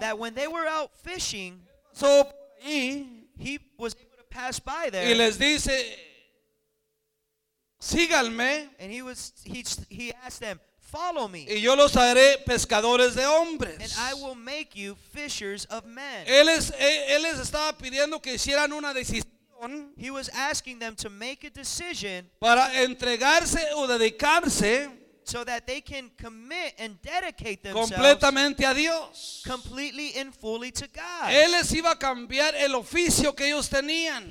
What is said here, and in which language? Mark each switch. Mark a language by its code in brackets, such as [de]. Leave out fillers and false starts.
[en] that when they were out fishing, so he was able to pass by there, [es] y les dice, síganme, [en] and he asked them, follow me. [es] Y yo los haré pescadores de hombres. [en] And I will make you fishers of men. [es] Él les estaba pidiendo que hicieran una decisión. [en] He was asking them to make a decision. [es] Para entregarse o dedicarse. [en] So that they can commit and dedicate themselves [es] completamente a Dios. [en] Completely and fully to God. [es] Él les iba a cambiar el oficio que ellos tenían.